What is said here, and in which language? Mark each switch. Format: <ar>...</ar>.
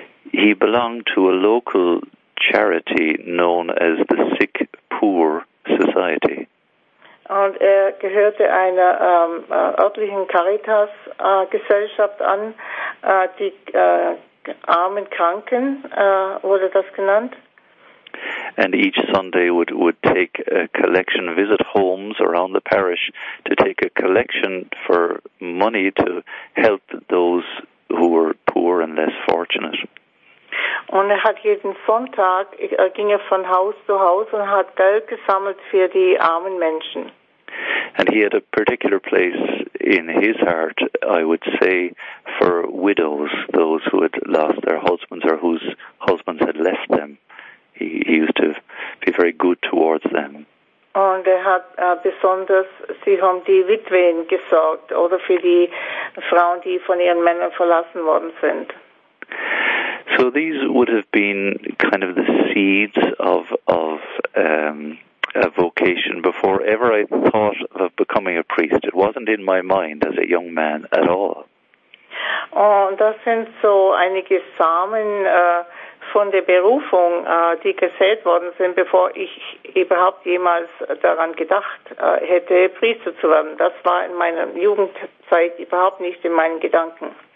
<en>He belonged to a local charity known as the Sick Poor Society.</en> <de>Und er gehörte einer örtlichen Caritas-Gesellschaft an, die armen Kranken, wurde das genannt.</de> <en>And each Sunday would take a collection, visit homes around the parish to take a collection for money to help those who were poor and less fortunate.</en> <de>Und er hat jeden Sonntag, ging er von Haus zu Haus und hat Geld gesammelt für die armen Menschen.</de> <en>And he had a particular place in his heart, I would say, for widows, those who had lost their husbands or whose husbands had left them. He used to be very good towards them.</en> <de>Und er hat besonders sich um die Witwen gesorgt oder für die Frauen, die von ihren Männern verlassen worden sind.</de> <en>So these would have been kind of the seeds of a vocation before ever I thought of becoming a priest. It wasn't in my mind as a young man at all.</en> <de>Und das sind so einige Samen von der Berufung, die gesät worden sind, bevor ich überhaupt jemals daran gedacht hätte, Priester zu werden. Das war in meiner Jugendzeit überhaupt nicht in meinen Gedanken.</de>